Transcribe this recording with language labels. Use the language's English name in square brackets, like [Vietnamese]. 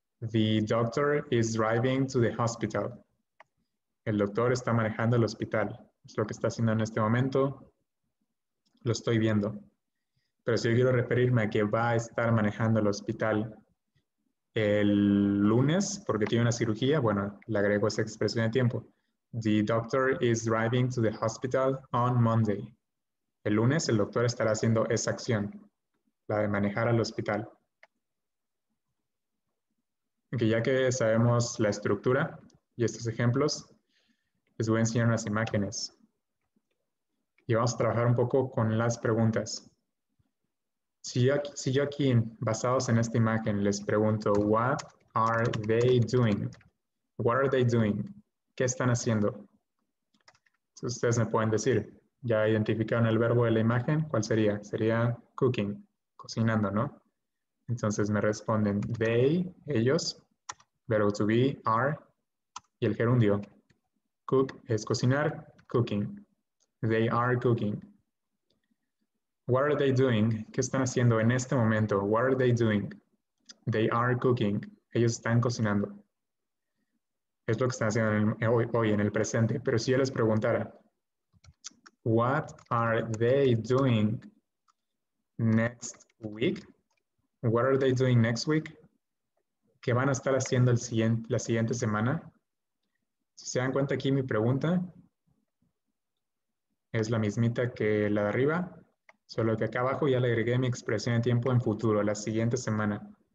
[English] The doctor is driving to the hospital. [Spanish] El doctor está manejando el hospital. Es lo que está haciendo en este momento. Lo estoy viendo. Pero si yo quiero referirme a que va a estar manejando el hospital el lunes porque tiene una cirugía, bueno, le agrego esa expresión de tiempo. [English] The doctor is driving to the hospital on Monday. [Spanish] El lunes el doctor estará haciendo esa acción, la de manejar al hospital. Aunque ya que sabemos la estructura y estos ejemplos, les voy a enseñar unas imágenes. Y vamos a trabajar un poco con las preguntas. Si yo aquí, basados en esta imagen, les pregunto, [English] what are they doing? What are they doing? [Spanish] ¿Qué están haciendo? Entonces, ustedes me pueden decir, ya identificaron el verbo de la imagen, ¿cuál sería? Sería cooking, cocinando, ¿no? Entonces me responden they, ellos, verbo to be, are, y el gerundio. [English] Cook [Spanish] es cocinar, [English] cooking. They are cooking. What are they doing? [Spanish] ¿Qué están haciendo en este momento? [English] What are they doing? They are cooking. [Spanish] Ellos están cocinando. Es lo que están haciendo hoy en el presente. Pero si yo les preguntara, [English] what are they doing next week? What are they doing next week? [Spanish] ¿Qué van a estar haciendo la siguiente semana? Si se dan cuenta aquí, mi pregunta es la mismita que la de arriba, solo que acá abajo ya le agregué mi expresión de tiempo en futuro, la siguiente semana.